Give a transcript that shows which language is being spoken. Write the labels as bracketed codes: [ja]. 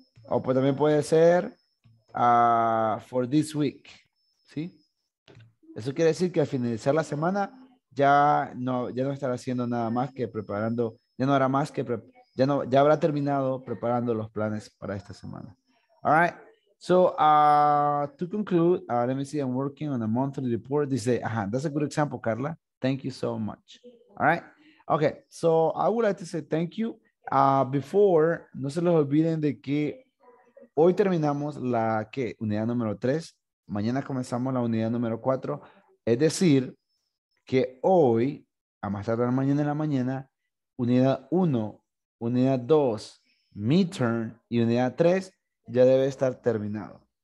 [es] O pues también puede ser [en] for this week. [es] ¿Sí? Eso quiere decir que al finalizar la semana ya no estará haciendo nada más que preparando, ya habrá terminado preparando los planes para esta semana. [en] All right. So, to conclude, let me see, I'm working on a monthly report this day. Uh-huh. That's a good example, Carla. Thank you so much. All right. Okay. So, I would like to say thank you. Before, [es] no se les olviden de que hoy terminamos la ¿qué? Unidad número 3. Mañana comenzamos la unidad número 4. Es decir, que hoy, a más tardar mañana en la mañana, unidad 1, unidad 2, midterm y unidad 3 ya debe estar terminado.